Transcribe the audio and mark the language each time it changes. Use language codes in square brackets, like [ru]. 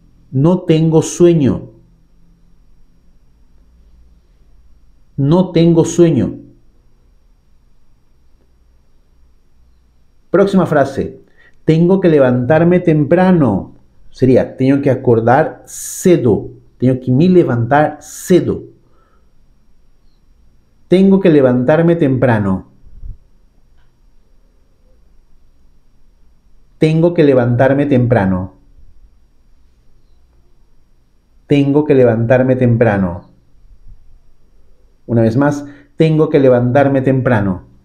[es] No tengo sueño. No tengo sueño. Próxima frase. Tengo que levantarme temprano. Sería, tengo que [pt] acordar cedo. Tenho que me levantar cedo. [es] Tengo que levantarme temprano. Tengo que levantarme temprano. Tengo que levantarme temprano. Una vez más, tengo que levantarme temprano.